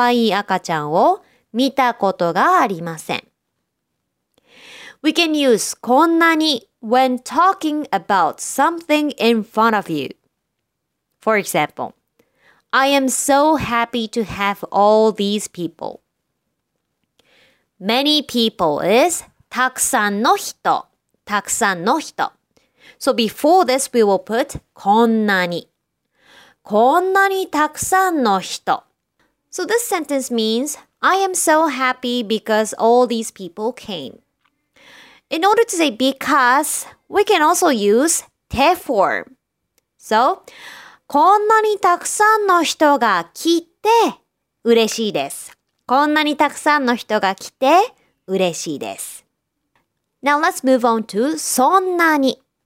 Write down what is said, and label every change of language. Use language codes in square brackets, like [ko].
[ja] こんなにかわいい赤ちゃんを見たことがありません。こんなにかわいい赤ちゃんを見たことがありません。 [en] We can use こんなに when talking about something in front of you. For example, I am so happy to have all these people. Many people is [ja] たくさんの人。たくさんの人。 [en] So before this, we will put こんなに. [ja] こんなにたくさんの人。 [en] So this sentence means, I am so happy because all these people came. In order to say because, we can also use て form. [ja] So, こんなにたくさんの人が来て嬉しいです。こんなにたくさんの人が来て嬉しいです。 [en] Now let's move on to そんなに.